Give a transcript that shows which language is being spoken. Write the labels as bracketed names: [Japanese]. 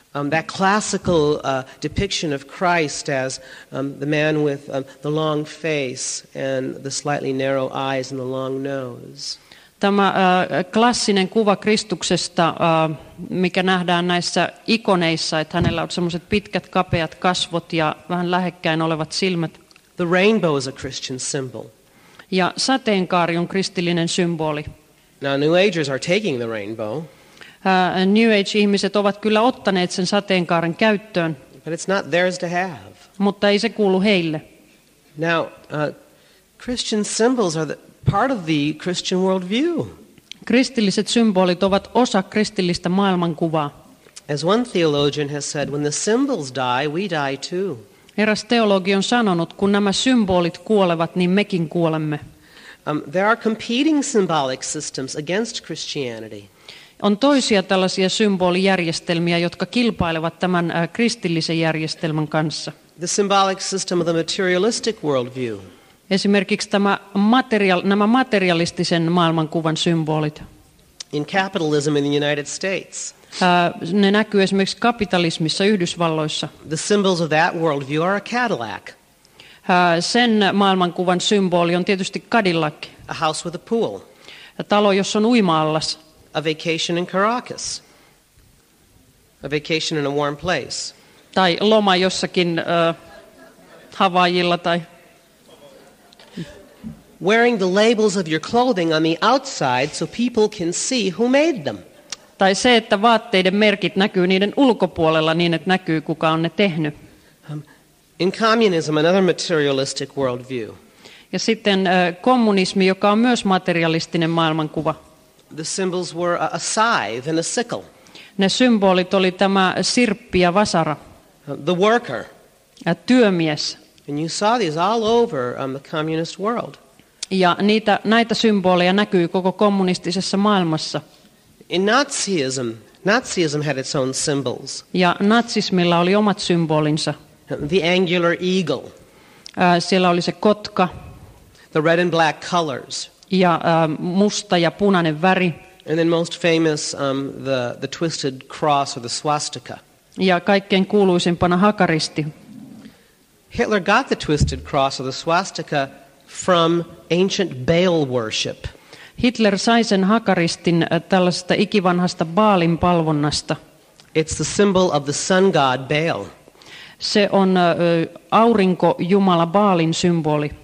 [English] That classical depiction of Christ as the man with the long face and the slightly narrow eyes and the long nose. [Finnish] Tämä klassinen kuva Kristuksesta, mikä nähdään näissä ikoneissa, että hänellä on semmoiset pitkät, kapeat kasvot ja vähän lähekkäin olevat silmät. [English] The rainbow is a Christian symbol. [Finnish] Ja sateenkaari on kristillinen symboli. [English] Now New Agers are taking the rainbow. [Finnish] New Age-ihmiset ovat kyllä ottaneet sen sateenkaaren käyttöön. [English] But it's not theirs to have. [Finnish] Mutta ei se kuulu heille. [English] Now, Christian symbols are the part of the Christian worldview. [Finnish] Kristilliset symbolit ovat osa kristillistä maailmankuvaa. [English] As one theologian has said, when the symbols die, we die too. [Finnish] Eräs teologi on sanonut, kun nämä symbolit kuolevat, niin mekin kuolemme. [English] There are competing symbolic systems against Christianity. [Finnish] On toisia tällaisia symbolijärjestelmiä, jotka kilpailevat tämän kristillisen järjestelmän kanssa. [English] The symbolic system of the materialistic worldview. [Finnish] Esimerkiksi nämä materialistisen maailmankuvan symbolit. [English] In capitalism in the United States. [Finnish] Ne näkyy esimerkiksi kapitalismissa Yhdysvalloissa. [English] The symbols of that worldview are a Cadillac. [Finnish] Sen maailmankuvan symboli on tietysti Cadillac. [English] A house with a pool. [Finnish] Talo, jossa on uima-allas. [English] A vacation in Caracas. A vacation in a warm place. [Finnish] Tai loma jossakin Havaijilla tai... [English] Wearing the labels of your clothing on the outside so people can see who made them. [Finnish] Tai se, että vaatteiden merkit näkyy niiden ulkopuolella niin, että näkyy, kuka on ne tehnyt. [English] In communism, another materialistic worldview. [Finnish] Ja sitten kommunismi, joka on myös materialistinen maailmankuva. [English] The symbols were a scythe and a sickle. [Finnish] Ne symbolit oli tämä sirppi ja vasara. [English] The worker. [Finnish] Ja työmies. [English] And you saw these all over the communist world. [Finnish] Ja näitä symboleja näkyy koko kommunistisessa maailmassa. [English] In Nazism had its own symbols. [Finnish] Ja natsismilla oli omat symbolinsa. [English] The angular eagle. [Finnish] Siellä oli se kotka. [English] The red and black colors. [Finnish] Ja musta ja punainen väri. [English] And then most famous the twisted cross or the swastika. [Finnish] Ja kaikkein kuuluisimpana hakaristi. [English] Hitler got the twisted cross or the swastika from ancient Baal worship. [Finnish] Hitler sai sen hakaristin tällaisesta ikivanhasta Baalin palvonnasta. [English] It's the symbol of the sun god Baal. [Finnish] Se on aurinko jumala Baalin symboli.